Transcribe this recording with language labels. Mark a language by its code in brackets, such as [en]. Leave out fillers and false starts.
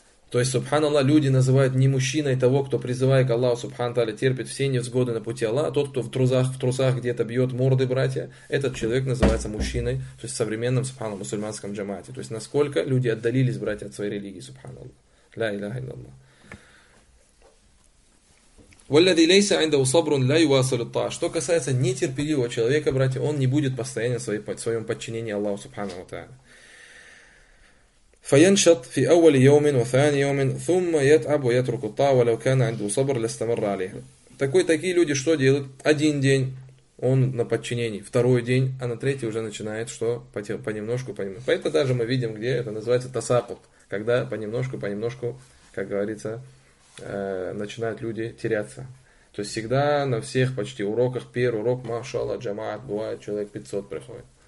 [ru] То есть, субханаллах, люди называют не мужчиной того, кто, призывая к Аллаху Субхану Тааля, терпит все невзгоды на пути Аллаха, а тот, кто в трусах где-то бьет морды братья, этот человек называется мужчиной, то есть в современном, субханаллах, мусульманском джамаате. То есть, насколько люди отдалились, братья, от своей религии, субханаллах. [ar] Ля иляха илляллах. والذي ليس عنده صبر لا يواصل الطاعة. [ru] Что касается нетерпеливого человека, братья, он не будет постоянно в своем подчинении Аллаху Субхану Тааля. [ar] فينشط في أول يوم وثاني يوم ثم يتعب ويترك الطاعة ولو كان عنده صبر لاستمر عليها. [ru] Такие люди что делают? Один день он на подчинении, второй день, а на третий уже начинает что? Понемножку. Поэтому даже мы видим, где это называется тасакут, когда понемножку, как говорится, начинают люди теряться. То есть всегда на всех почти уроках, первый урок, машалла, джамаат, бывает человек 500 приходит.